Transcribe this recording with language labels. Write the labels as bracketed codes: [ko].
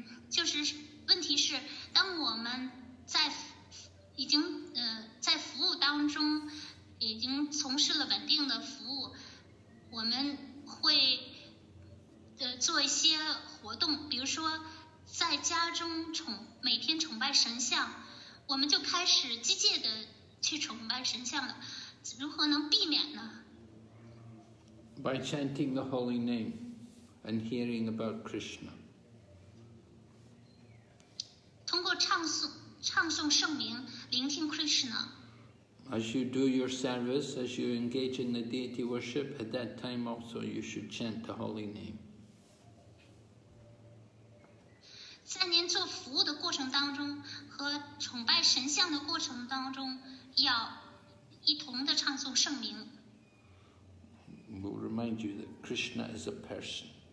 [zh] 就是问题是，当我们在已经在服务当中，已经从事了稳定的服务，我们会。做一些活动，比如说在家中每天崇拜神像，我们就开始机械的去崇拜神像了。如何能避免呢？ [en] by chanting the holy name and hearing about Krishna. [zh] 通过唱诵圣名，聆听 Krishna。 [en] As you do your service, as you engage in the deity worship, at that time also you should chant the holy name. [zh] 在您做服务的过程当中和崇拜神像的过程当中，要一同的唱诵圣名。 [en] We'll remind you that Krishna is a person.